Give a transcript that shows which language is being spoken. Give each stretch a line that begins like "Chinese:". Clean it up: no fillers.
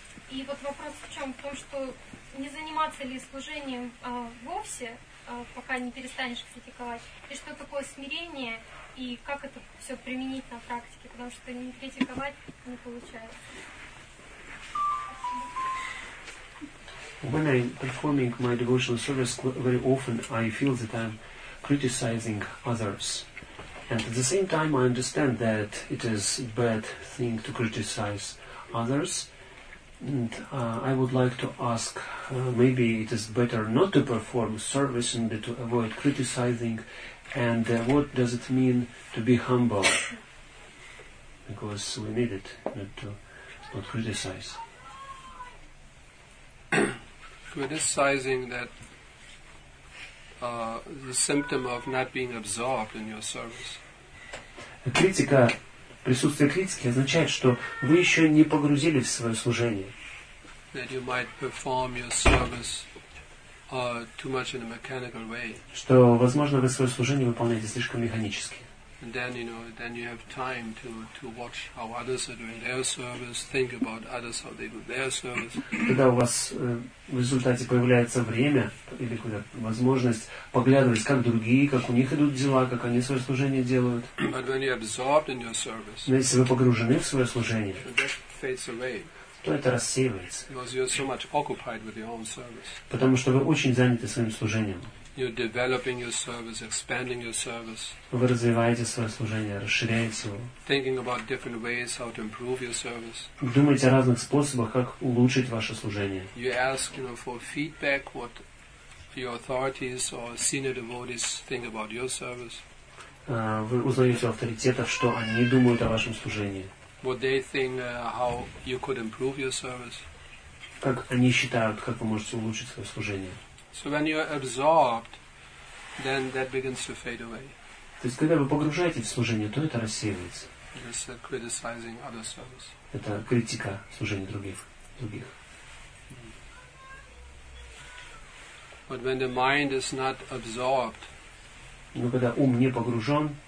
Russian: И вот вопрос в чем? В том, что не заниматься ли служением вовсе, пока не перестанешь критиковать. И что такое смирение? И как это все применить на практике, потому что не критиковать не получается.
English: When I'm performing my devotional service, very often I feel that I'm criticizing others. And at the same time I understand that it is a bad thing to criticize others. And I would like to ask, maybe it is better not to perform service and to avoid criticizing. And what does it mean to be humble? Because we need it, not to or criticize. Criticizing that the symptom of not being absorbed in your service.
Russian: Критика, присутствие критики означает, что вы еще не погрузились в свое служение.
English: That you might perform your service too much in a mechanical way.
Russian: Что, возможно, вы свое служение выполняете слишком механически.
English: And then, you know, then you have time to watch how others are doing their service, think about others, how they do their service.
Russian: Когда у вас в результате появляется время или возможность поглядывать, как другие, как у них идут дела, как они свое служение делают.
English: But when you're absorbed in your service,
Russian: но если вы погружены в свое служение,
English: that fades away.
Russian: То это рассеивается.
English: Because you're so much occupied with your own service.
Russian: Потому что вы очень заняты своим служением.
English: You're developing your service, expanding your service.
Russian: Вы развиваете свое служение, расширяете его.
English: Thinking about different ways how to improve your service.
Russian: Думаете о разных способах, как улучшить ваше служение.
English: You ask, you know, for feedback what your authorities or senior devotees think about your service.
Russian: Вы узнаете у авторитетов, что они думают о вашем служении.
English: What they think how you could improve your service.
Russian: Как они считают, как вы можете улучшить свое служение.
English: So when you're absorbed, then that begins to fade away.
Russian: То есть когда вы погружаетесь в служение, то это рассеивается.
English: Just criticizing other service.
Russian: Это критика служения других.
English: But when the mind is not absorbed,
Russian: но когда ум не погружен,